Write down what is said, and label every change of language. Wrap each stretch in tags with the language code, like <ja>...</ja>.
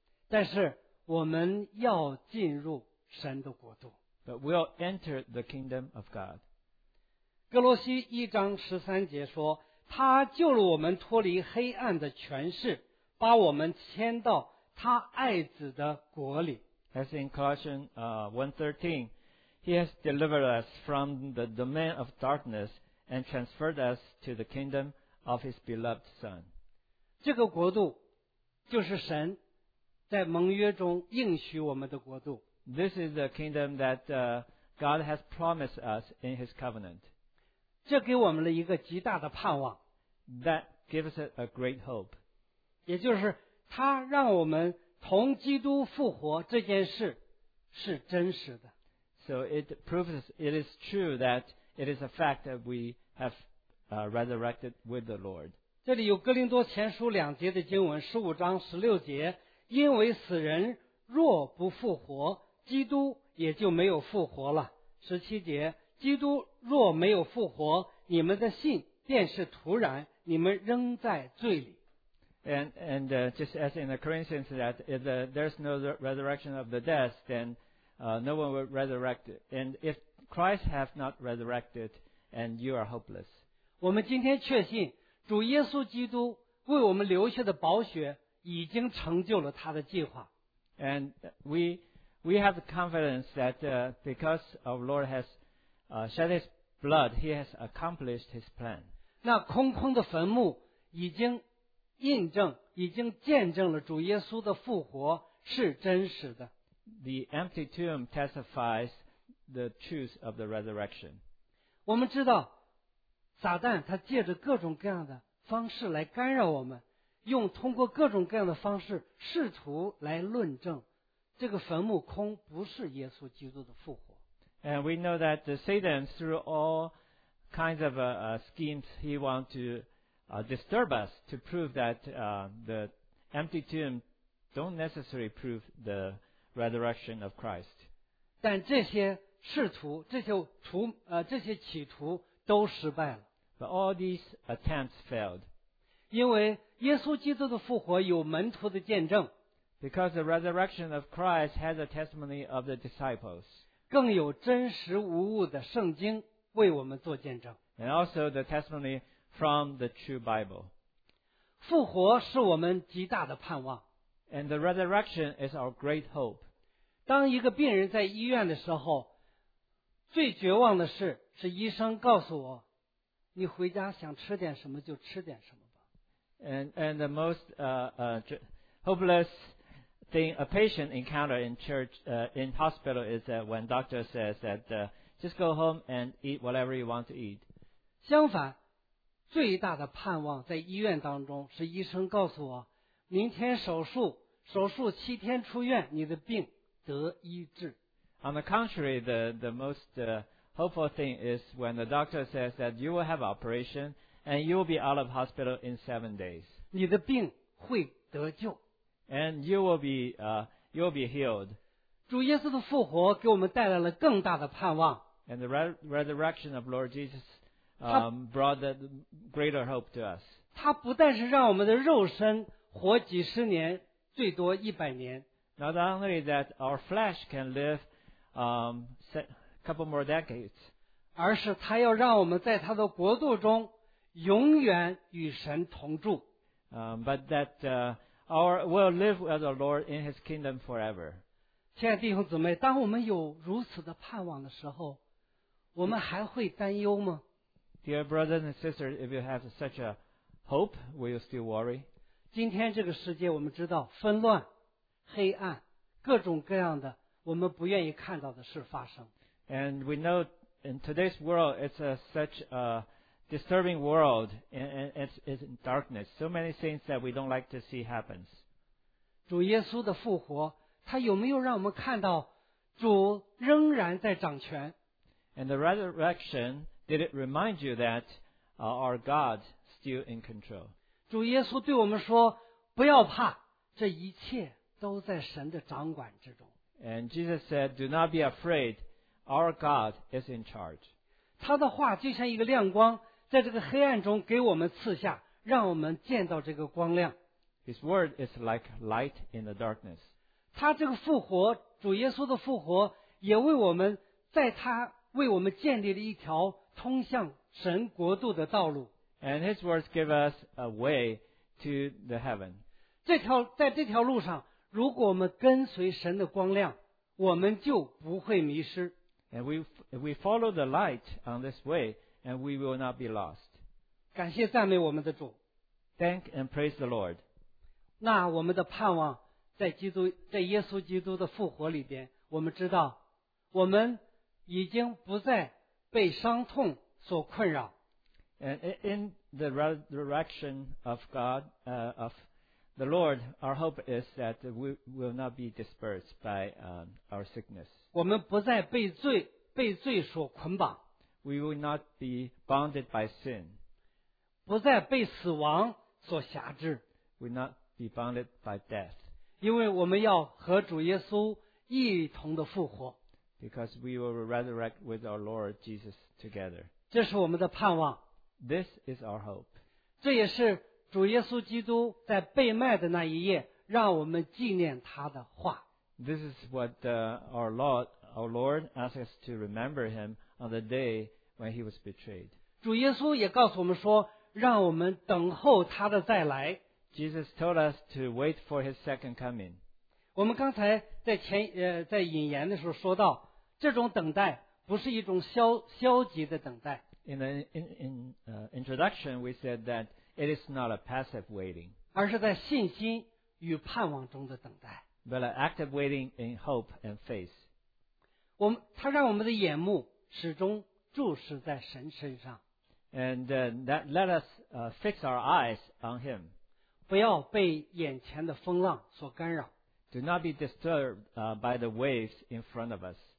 <zh>但是我们要进入神的国度。</zh> <en>But we'll enter the kingdom of God.</en> <zh>哥罗西一章十三节说，他救了我们脱离黑暗的权势，把我们迁到他爱子的国里。</zh> <en>As in Colossians 1:13, he has delivered us from the domain of darkness and transferred us to the kingdom of his beloved son.</en> <zh>这个国度就是神在盟约中应许我们的国度。</zh> <en>This is the kingdom that God has promised us in his covenant.</en> <zh>这给我们了一个极大的盼望。</zh> <en>That gives us a great hope.</en> <zh>也就是他让我们同基督复活这件事是真实的。</zh> <en>So it proves it is true that it is a fact that we have resurrected with the Lord.</en> <zh>这里有哥林多前书两节的经文，十五章十六节，因为死人若不复活，基督也就没有复活了。十七节，基督若没有复活，你们的信便是徒然，你们仍在罪里。</zh> <en>And just as in the Corinthians that if there's no resurrection of the dead, then no one will resurrect. And if Christ has not resurrected, and you are hopeless.</en> <zh>我们今天确信主耶稣基督为我们留下的宝血已经成就了他的计划。</zh> <en>And we have the confidence that because our Lord has shed his blood, he has accomplished his plan.</en> <zh>那空空的坟墓已经印证，已经见证了主耶稣的复活是真实的。</zh> <en>The empty tomb testifies the truth of the resurrection.</en> <zh>我们知道撒旦他借着各种各样的方式来干扰我们，用通过各种各样的方式试图来论证这个坟墓空不是耶稣基督的复活。</zh> <en>And we know that Satan through all kinds of schemes he want to disturb us to prove that the empty tomb don't necessarily prove the resurrection of Christ.</en> <zh>但这些试图，这些企图都失败了。</zh> <en>But all these attempts failed.</en> <zh>因为耶稣基督的复活有门徒的见证。</zh> <en>Because the resurrection of Christ has a testimony of the disciples.</en> <zh>更有真实无误的圣经为我们做见证。</zh> <en>And also the testimony from the true Bible.</en> <zh>复活是我们极大的盼望。</zh> <en>And the resurrection is our great hope.</en> <zh>当一个病人在医院的时候，最绝望的事是医生告诉我，你回家想吃点什么就吃点什么吧。</zh> <en>And the most hopeless thing a patient encounter in church in hospital is that when doctor says that just go home and eat whatever you want to eat.</en> <zh>相反，最大的盼望在医院当中是医生告诉我，明天手术，手术七天出院，你的病得医治。</zh> <en>On the contrary, the most hopeful thing is when the doctor says that you will have operation and you will be out of hospital in 7 days.</en> <zh>你的病会得救。</zh> <en>And you will be healed.</en> <zh>主耶稣的复活给我们带来了更大的盼望。</zh> <en>And the resurrection of Lord Jesus brought the greater hope to us.</en> <zh>他不但是让我们的肉身活几十年，最多一百年。</zh> <en>Not only that our flesh can live a couple more decades,</en> <zh>而是他要让我们在他的国度中永远与神同住。</zh> <en>But that our will live with the Lord in his kingdom forever.</en> <zh>亲爱的弟兄姊妹，当我们有如此的盼望的时候，我们还会担忧吗？</zh> <en>Dear brothers and sisters, if you have such a hope, will you still worry?</en> <zh>今天这个世界我们知道纷乱、黑暗、各种各样的我们不愿意看到的事发生。</zh> <en>And we know in today's world it's a such a disturbing world and it's in darkness. So many things that we don't like to see happens.</en> <zh>主耶稣的复活，他有没有让我们看到主仍然在掌权？</zh> <en>And the resurrection, did it remind you that our God still in control?</en> <zh>主耶稣对我们说，不要怕，这一切都在神的掌管之中。</zh> <en>And Jesus said, do not be afraid, our God is in charge.</en> <zh>他的话就像一个亮光，在这个黑暗中给我们刺下，让我们见到这个光亮。</zh> <en>His word is like light in the darkness.</en> <zh>他这个复活，主耶稣的复活，也为我们在他为我们建立了一条通向神国度的道路。</zh> <en>And his words give us a way to the heaven.</en> <zh>这条，在这条路上，如果我们跟随神的光亮，我们就不会迷失。</zh> <en>And we follow the light on this way, and we will not be lost.</en> <zh>感谢赞美我们的主。</zh> <en>Thank and praise the Lord.</en> <zh>那我们的盼望在基督，在耶稣基督的复活里边，我们知道我们已经不再被伤痛所困扰。</zh> <en>And in the resurrection of God, of the Lord, our hope is that we will not be dispersed by our sickness.</en> <zh>我们不再被罪，被罪所捆绑。</zh> <en>We will not be bounded by sin.</en> <zh>不再被死亡所辖制。</zh> <en>We will not be bounded by death.</en> <zh>因为我们要和主耶稣一同的复活。</zh> <en>Because we will resurrect with our Lord Jesus together.</en> <zh>这是我们的盼望。</zh> <en>This is our hope.</en> <zh>这也是主耶稣基督在被卖的那一夜让我们纪念他的话。</zh> <en>This is what our Lord asked us to remember him on the day when he was betrayed.</en> <zh>主耶稣也告诉我们说，让我们等候他的再来。</zh> <en>Jesus told us to wait for his second coming.</en> <zh>我们刚才在引言的时候说到，这种等待不是一种消极的等待。</zh> <en>In the introduction, we said that it is not a passive waiting,</en> <zh>而是在信心与盼望中的等待。</zh> <en>But an active waiting in hope and faith.</en> <zh>他让我们的眼目始终注视在神身上。</zh> <en>And that let us fix our eyes on him.</en> <zh>不要被眼前的风浪所干扰。</zh> <en>Do not be disturbed by the waves in front of us.</en>